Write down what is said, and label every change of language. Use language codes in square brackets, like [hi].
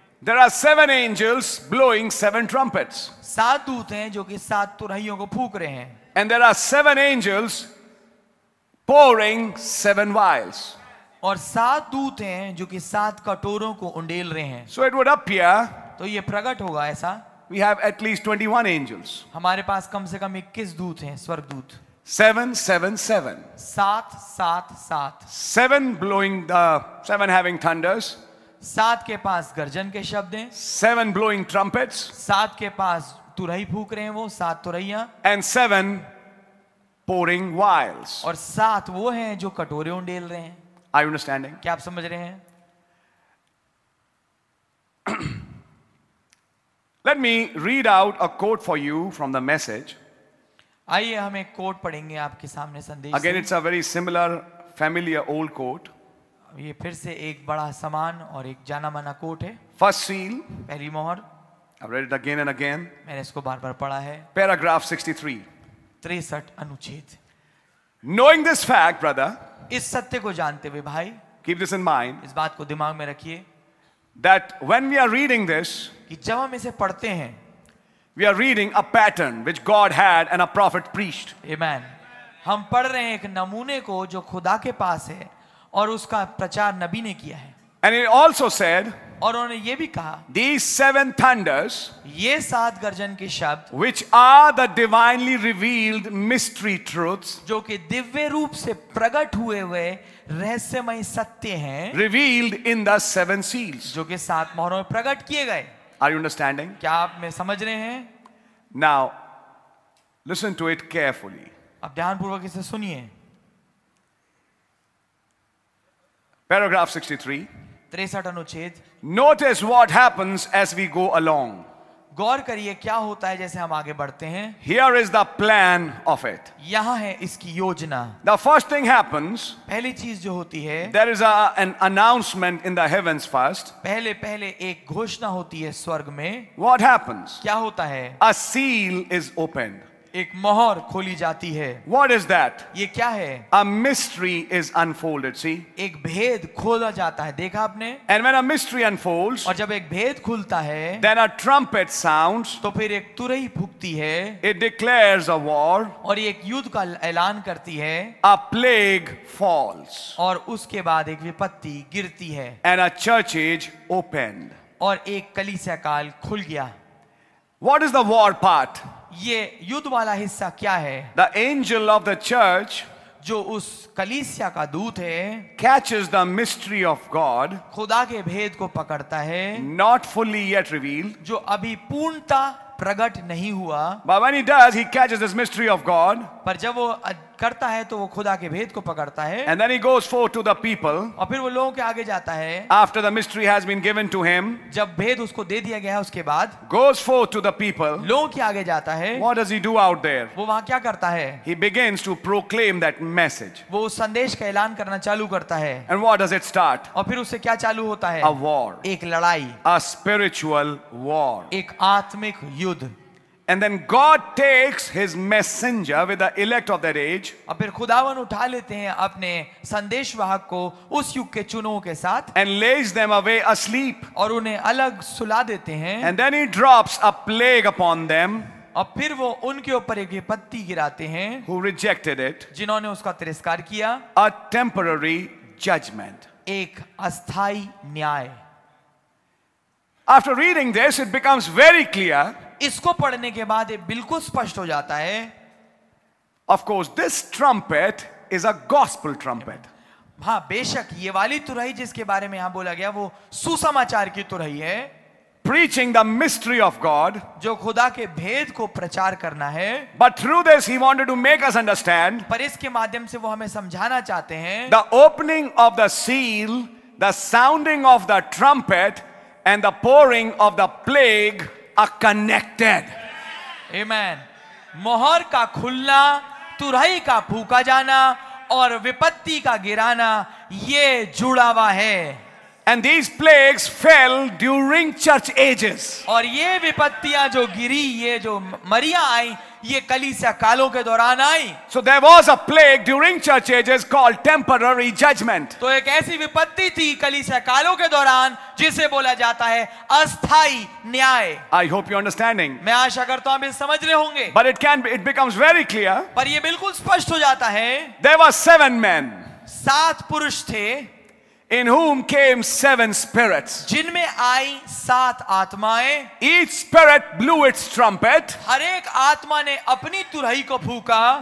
[en] There are seven angels blowing seven trumpets. [hi] सात दूत हैं जो कि सात तुरहियों को फूंक रहे हैं। [en] And there are seven angels pouring seven vials. [hi] और सात दूत हैं जो कि सात कटोरों को उंडेल रहे हैं। [en] So it would appear. [hi] तो ये प्रकट होगा ऐसा। [en] We have at least 21 angels. [hi] हमारे पास कम से कम 21 दूत हैं, स्वर्ग दूत। [en] 7, 7, 7. [hi] सात, सात, सात. [en] Seven blowing the seven having thunders. [hi] सात के पास गर्जन के शब्द हैं. [en] Seven blowing trumpets. [hi] सात के पास तुरही फूंक रहे हैं वो सात तुरहियां. [en] And seven pouring vials. [hi] और सात वो हैं जो कटोरे उंडेल रहे हैं. [en] Are you understanding? [hi] क्या आप समझ रहे हैं? [en] Let me read out a quote for you from the message. [hi] आइए हम एक कोट पढ़ेंगे आपके सामने संदेश। [en] Again, it's a very similar, familiar old quote. [hi] ये फिर से एक बड़ा समान और एक जाना माना कोट है। [en] First seal. [hi] पहली मोहर। [en] I've read it again and again. [hi] मैंने इसको बार बार पढ़ा है। [en] Paragraph 63. [hi] 63 अनुच्छेद। [en] Knowing this fact, brother. [hi] इस सत्य को जानते हुए भाई। [en] Keep this in mind. [hi] इस बात को दिमाग में रखिए। [en] That when we are reading this. [hi] कि जब हम इसे पढ़ते हैं। [en] We are reading a pattern which God had and a prophet preached. Amen. [hi] हम पढ़ रहे हैं एक नमूने को जो खुदा के पास है और उसका प्रचार नबी ने किया है. [en] And he also said. [hi] और उन्होंने ये भी कहा. [en] These seven thunders. [hi] ये सात गर्जन के शब्द. [en] Which are the divinely revealed mystery truths. [hi] जो कि दिव्य रूप से प्रकट हुए हुए रहस्यमय सत्य हैं. [en] Revealed in the seven seals. [hi] जो कि सात मोहरों में प्रकट किए गए. [en] Are you understanding? [hi] क्या आप में समझ रहे हैं? [en] Now, listen to it carefully. [hi] अब ध्यानपूर्वक इसे सुनिए. [en] Paragraph 63. 63 [hi] अनुच्छेद. [en] Notice what happens as we go along. [hi] गौर करिए क्या होता है जैसे हम आगे बढ़ते हैं. [en] Here is the plan of it. [hi] यहाँ है इसकी योजना. [en] The first thing happens. [hi] पहली चीज जो होती है. [en] There is an announcement in the heavens first. [hi] पहले पहले एक घोषणा होती है स्वर्ग में. [en] What happens? [hi] क्या होता है? [en] A seal is opened. [hi] एक मोहर खोली जाती है. [en] What is that? [hi] ये क्या है? [en] A mystery is unfolded. See? [hi] एक भेद खोला जाता है. देखा आपने? [en] And when a mystery unfolds, [hi] और जब एक भेद खुलता है, [en] then a trumpet sounds, [hi] तो फिर एक तुरही फूंकती है. [en] It declares a war, [hi] और एक युद्ध का ऐलान करती है. [en] A plague falls, [hi] और उसके बाद एक विपत्ति गिरती है. [en] And a church age opened, [hi] और एक कलीसिया काल खुल गया. [en] What is the war part? [hi] ये युद्ध वाला हिस्सा क्या है? [en] The angel of the church, [hi] जो उस कलीसिया का दूत है, [en] catches the mystery of God, [hi] खुदा के भेद को पकड़ता है, [en] not fully yet revealed, [hi] जो अभी पूर्णता प्रकट नहीं हुआ, [en] but when he does, he catches this mystery of God, [hi] पर जब वो करता है तो वो खुदा के भेद को पकड़ता है, [en] and then he goes forth to the people, [hi] और फिर वो लोगों के आगे जाता है, [en] after the mystery has been given to him, [hi] जब भेद उसको दे दिया गया है उसके बाद, [en] goes forth to the people, [hi] लोगों के आगे जाता है, [en] what does he do out there? [hi] वो वहाँ क्या करता है? [en] He begins to proclaim that message. [hi] वो उस संदेश का ऐलान करना चालू करता है, [en] and what does it start? [hi] और फिर उससे क्या चालू होता है? [en] A war. [hi] एक लड़ाई. [en] A spiritual war. [hi] एक आत्मिक युद्ध. [en] And then God takes His messenger with the elect of that age. [hi] और फिर खुदावन उठा लेते हैं अपने संदेशवाहक को उस युग के चुनों के साथ. [en] And lays them away asleep. [hi] और उन्हें अलग सुला देते हैं. [en] And then He drops a plague upon them. [hi] और फिर वो उनके ऊपर एक विपत्ति गिराते हैं. [en] Who rejected it? [hi] जिन्होंने उसका तिरस्कार किया. [en] A temporary judgment. [hi] एक अस्थाई न्याय. [en] After reading this, it becomes very clear. [hi] इसको पढ़ने के बाद ये बिल्कुल स्पष्ट हो जाता है. [en] Of course, this trumpet is a gospel trumpet. [hi] हाँ, बेशक ये वाली तुरही जिसके बारे में यहां बोला गया वो सुसमाचार की तुरही है. [en] Preaching the mystery of God, [hi] जो खुदा के भेद को प्रचार करना है. [en] But through this, he wanted to make us understand. [hi] पर इसके माध्यम से वो हमें समझाना चाहते हैं. [en] The opening of the seal, the sounding of the trumpet, and the pouring of the plague. Are connected. Amen. [hi] मोहर का खुलना, तुरही का फूका जाना और विपत्ति का गिराना ये जुड़ा हुआ है. [en] And these plagues fell during church ages. [hi] और ये विपत्तियां जो गिरी, ये जो मरियां आई, ये कलीसिया कालों के दौरान आई. [en] So there was a plague during church ages called temporary judgment. [hi] तो एक ऐसी विपत्ति थी कलीसिया कालों के दौरान जिसे बोला जाता है अस्थाई न्याय. [en] I hope you're understanding. [hi] मैं आशा करता हूं आप समझ रहे होंगे. [en] But it becomes very clear. [hi] पर ये बिल्कुल स्पष्ट हो जाता है. [en] There were seven men. [hi] सात पुरुष थे. [en] In whom came seven spirits. [hi] जिनमें आई सात आत्माएं. [en] Each spirit blew its trumpet. [hi] हर एक आत्मा ने अपनी तुरही को फूंका.